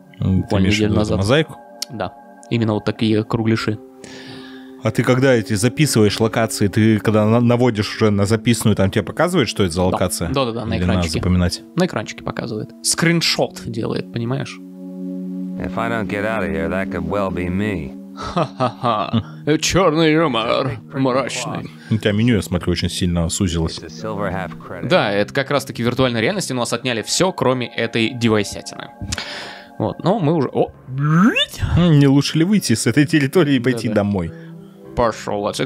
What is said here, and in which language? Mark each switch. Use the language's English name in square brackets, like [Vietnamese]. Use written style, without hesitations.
[Russian] Ты имеешь в виду эту мозаику? Да. Именно вот такие кругляши. А ты когда эти записываешь локации, ты когда наводишь уже на записную, там тебе показывает, что это за локация? Да, на экранчике. Или надо запоминать? На экранчике показывает. Скриншот делает, понимаешь? [English] If I don't get out of here, that could well be me. [Russian] Ха-ха-ха. Черный юмор. Мрачный. У тебя меню, я смотрю, очень сильно сузилось. Да, это как раз-таки виртуальная реальность, но нас отняли все, кроме этой девайсятины. Вот, но мы уже... О! Не лучше ли выйти с этой территории и пойти домой? Пошел отсюда.